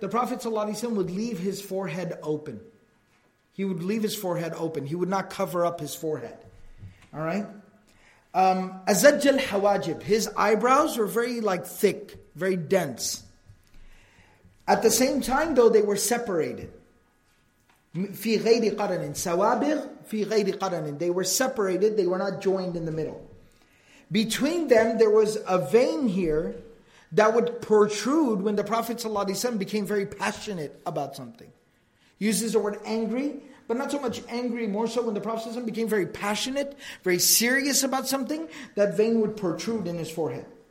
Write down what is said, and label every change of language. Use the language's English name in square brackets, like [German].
[English] The Prophet ﷺ would leave his forehead open. He would leave his forehead open. He would not cover up his forehead. All right? [Arabic] Azajj al-hawajib. [English] His eyebrows were very like thick, very dense. At the same time, though, they were separated. [Arabic] في غير قرن سوابغ في غير قرن. [English] They were separated. They were not joined in the middle. Between them, there was a vein here that would protrude when the Prophet ﷺ became very passionate about something. He uses the word angry, but not so much angry. More so, when the Prophet ﷺ became very passionate, very serious about something, that vein would protrude in his forehead.